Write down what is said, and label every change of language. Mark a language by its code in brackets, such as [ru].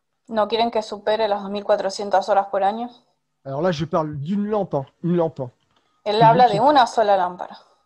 [es] ¿No quieren que supere las 2400 horas por año? [fr] Alors là, je parle d'une lampe, hein, une lampe. Hein, [es] Él habla de una sola lámpara.